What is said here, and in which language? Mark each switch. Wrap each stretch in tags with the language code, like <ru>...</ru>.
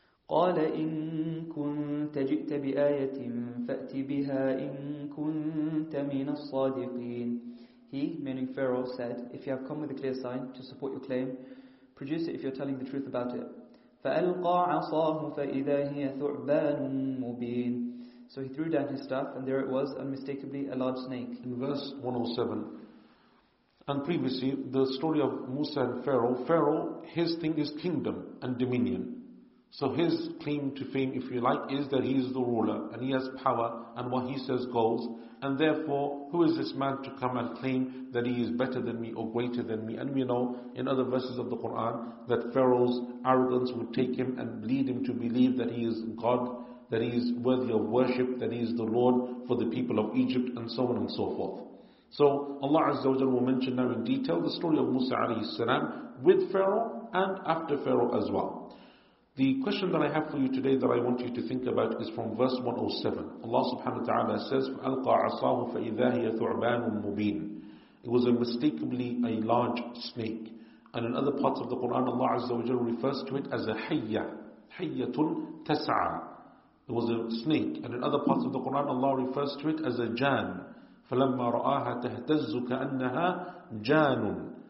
<ar>قَالَ إِن كُنْتَ جِئْتَ بِآيَةٍ فَأْتِ بِهَا إِن كُنْتَ مِنَ الصَّادِقِينَ.</ar> <en>He, meaning Pharaoh, said, if you have come with a clear sign to support your claim, produce it if you're telling the truth about it.</en> <ar>فألقى عصاه فإذا هي ثعبان مبين.</ar> <en>So he threw down his staff, and there it was, unmistakably a large snake. In verse 107, and previously the story of Musa and Pharaoh. Pharaoh, his thing is kingdom and dominion. So his claim to fame, if you like, is that he is the ruler and he has power and what he says goes. And therefore, who is this man to come and claim that he is better than me or greater than me? And we know in other verses of the Quran that Pharaoh's arrogance would take him and lead him to believe that he is God, that he is worthy of worship, that he is the Lord for the people of Egypt, and so on and so forth. So Allah Azza wa Jalla will mention now in detail the story of Musa alayhi salam with Pharaoh and after Pharaoh as well. The question that I have for you today that I want you to think about is from verse 107. Allah subhanahu wa ta'ala says,</en> <ar>فَأَلْقَى عَصَاهُ فَإِذَا هِيَ ثُعْبَانٌ مُبِينٌ.</ar> <en>It was unmistakably a large snake. And in other parts of the Quran, Allah Azza wa Jalla refers to it as a حَيَّة.</en> <ar>حَيَّةٌ تَسْعَى.</ar> <en>It was a snake. And in other parts of the Quran, Allah refers to it as a jan.</en> <ar>فَلَمَّا رَآهَا تَهْتَزُّ كَأَنَّهَا جَانٌ.</ar>